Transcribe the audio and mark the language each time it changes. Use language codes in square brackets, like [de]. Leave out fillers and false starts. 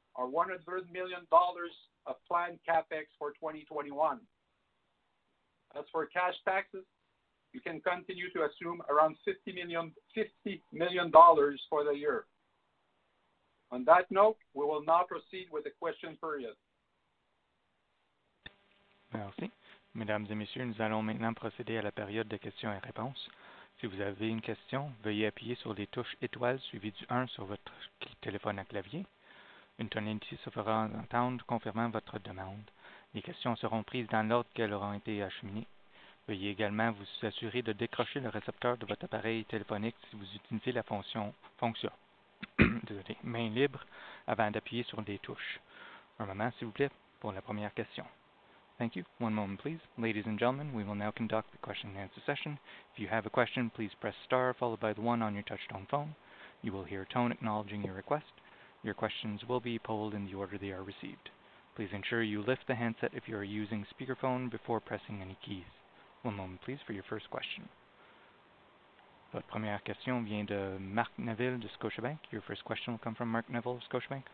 [en] our $100 million of planned CapEx for 2021. As for cash taxes, you can continue to assume around $50 million for the year. On that note, we will now proceed with the question period. [fr] Merci. Mesdames et messieurs, nous allons maintenant procéder à la période de questions et réponses. Si vous avez une question, veuillez appuyer sur les touches étoiles suivies du 1 sur votre téléphone à clavier. Une tonalité se fera entendre confirmant votre demande. Les questions seront prises dans l'ordre qu'elles auront été acheminées. Veuillez également vous assurer de décrocher le récepteur de votre appareil téléphonique si vous utilisez la fonction désolé, main libre avant d'appuyer sur les touches. Un moment, s'il vous plaît, pour la première question. [en] Thank you. One moment, please. Ladies and gentlemen, we will now conduct the question and answer session. If you have a question, please press star followed by the one on your touchtone phone. You will hear a tone acknowledging your request. Your questions will be polled in the order they are received. Please ensure you lift the handset if you are using speakerphone before pressing any keys. One moment, please, for your first question. [fr] Votre première question vient de Marc Neville de Scotiabank. [en] Your first question will come from Marc Neville of Scotiabank.